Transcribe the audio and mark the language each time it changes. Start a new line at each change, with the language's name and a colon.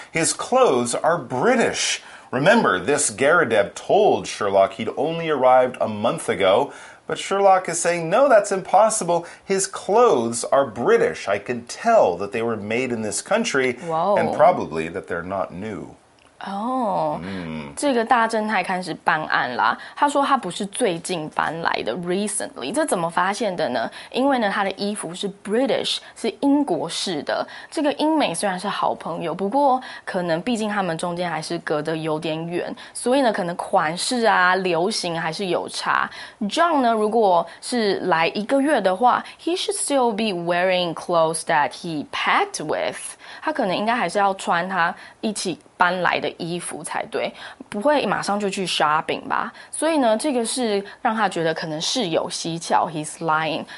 English: His clothes are British. Remember, this Garadev told Sherlock he'd only arrived a month ago, but Sherlock is saying, no, that's impossible. His clothes are British. I can tell that they were made in this country, and probably that they're not new.
Chinese: 这个大侦探开始办案啦。他说他不是最近搬来的 ，recently。这怎么发现的呢？因为呢，他的衣服是 British， 是英国式的。这个英美虽然是好朋友，不过可能毕竟他们中间还是隔得有点远，所以呢，可能款式啊、流行还是有差。
English: John 呢，如果是来一个月的话，he should still be wearing clothes that he packed with。
Chinese: 他可能应该还是要穿他一起搬来的衣服才对，不会马上就去 shopping 吧？所以呢，这个是让他觉得可能事有蹊跷 ， he's lying.